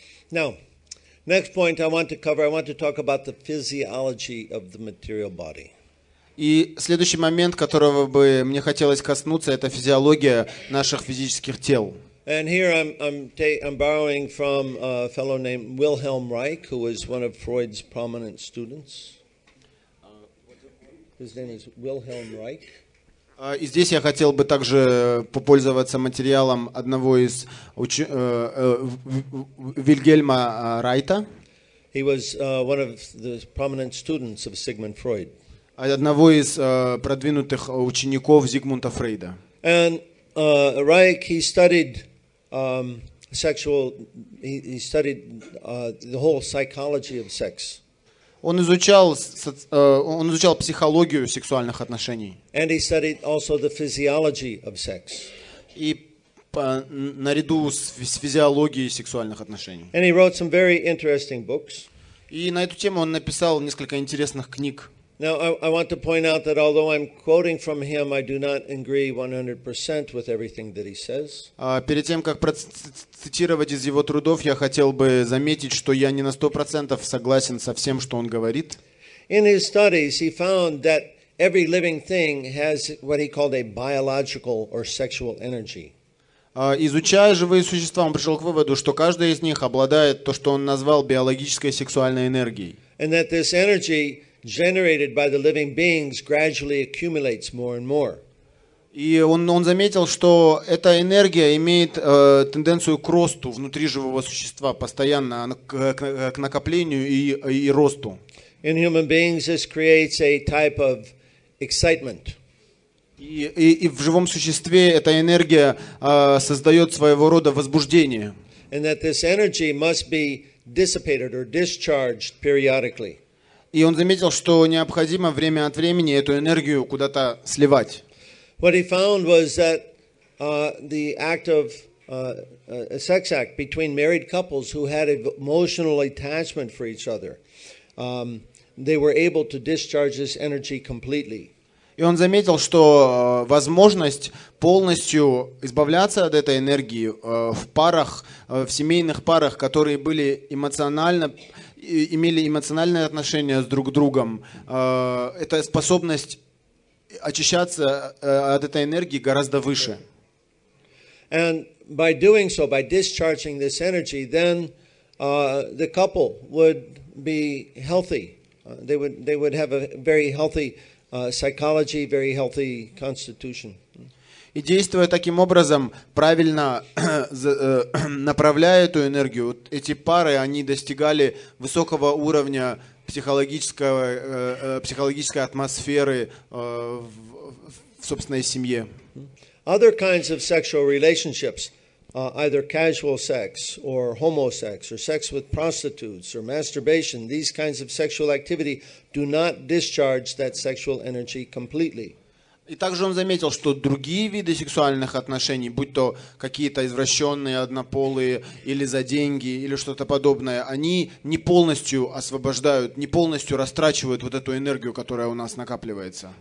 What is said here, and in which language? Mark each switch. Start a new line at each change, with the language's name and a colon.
English: Now, next point I want to cover, I want to talk about the physiology of the material body.
Russian: И следующий момент, которого бы мне хотелось коснуться, это физиология наших физических тел.
English: And here I'm borrowing from a fellow named Wilhelm Reich, who was one of Freud's prominent students. His name is Wilhelm Reich.
Russian: И здесь я хотел бы также попользоваться материалом одного из Вильгельма Райта.
English: He was one of the prominent students of Sigmund Freud.
Russian: Одного из продвинутых учеников Зигмунда Фрейда.
English: And Reich, he studied the whole psychology of sex.
Russian: Он изучал психологию сексуальных отношений.
English: And he studied also the physiology of sex.
Russian: И наряду с физиологией сексуальных отношений.
English: And he wrote some very interesting books.
Russian: И на эту тему он написал несколько интересных книг.
English: Now I want to point out that although I'm quoting from him, I do not agree 100% with everything that he says.
Russian: Перед тем как процитировать из его трудов, я хотел бы заметить, что я не на 100% согласен со всем, что он говорит.
English: In his studies, he found that every living thing has what he called a biological or sexual energy.
Russian: Изучая живые существа, он пришел к выводу, что каждая из них обладает то, что он назвал биологической сексуальной энергией.
English: And that this energy generated by the living beings gradually accumulates more and more.
Russian: И он заметил, что эта энергия имеет тенденцию к росту внутри живого существа постоянно, к накоплению и росту.
English: In human beings this creates a type of excitement.
Russian: И в живом существе эта энергия создает своего рода возбуждение.
English: And that this energy must be dissipated or discharged periodically.
Russian: И он заметил, что необходимо время от времени эту энергию куда-то сливать.
English: What he found was that the act of a sex act between married couples who had emotional attachment for each other, they were able to discharge this energy completely.
Russian: И он заметил, что возможность полностью избавляться от этой энергии в парах, в семейных парах, которые были эмоционально имели эмоциональные отношения с друг другом, эта способность очищаться от этой энергии гораздо выше.
English: And by doing so, by discharging this energy, then the couple would be healthy. They would have a very healthy psychology, very healthy constitution.
Russian: И действуя таким образом, правильно направляя эту энергию, эти пары, они достигали высокого уровня психологической атмосферы в собственной семье.
English: Other kinds of sexual relationships, either casual sex or homo sex or sex with prostitutes or masturbation, these kinds of sexual activity do not discharge that sexual energy completely.
Russian: И также он заметил, что другие виды сексуальных отношений, будь то какие-то извращенные, однополые, или за деньги, или что-то подобное, они не полностью освобождают, не полностью растрачивают вот эту энергию, которая у нас накапливается.